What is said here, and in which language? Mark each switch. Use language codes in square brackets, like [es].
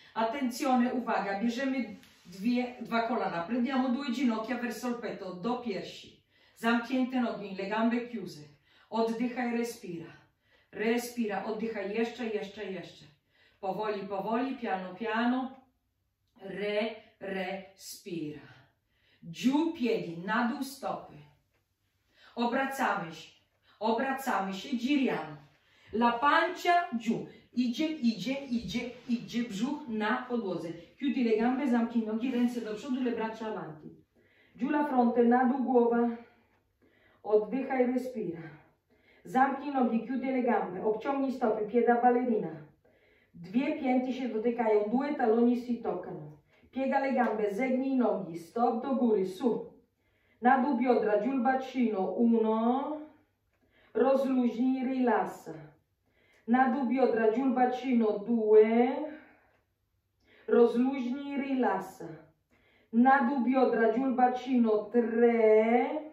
[it] Attenzione, [pl] uwaga, bierzemy dwa kolana, [it] prendiamo due ginocchia verso il petto, [pl] do piersi. Zamknięte nogi, [it] le gambe chiuse. [pl] Oddychaj, [it] respira. Respira, [pl] oddychaj jeszcze, jeszcze, jeszcze. Powoli, powoli, [it] piano, piano. Respira. Giù piedi, [pl] na dół stopy. Obracamy się, obracamy się, [it] giriamo. La pancia giù. [pl] Idzie, idzie, idzie, idzie brzuch na podłodze. [it] Chiudi le gambe, [pl] zamknij nogi, ręce do przodu, [it] le braccia avanti. Giù la fronte, [pl] na dół głowa. Oddychaj, [it] respira. [pl] Zamknij nogi, [it] chiudi le gambe, [pl] obciągnij stopy, [it] piega balerina. [pl] Dwie pięty się dotykają, [it] due taloni si toccano. Piega le gambe, [pl] zegnij nogi, stop do góry, su. Na dół biodra, [it] giù il bacino, uno. [pl] Rozluźnij, [it] rilassa. [pl] Na dół biodra, [it] giù il bacino, due. [pl] Rozluźnij, [it] rilassa. [pl] Na dół biodra, [it] giù il bacino, tre.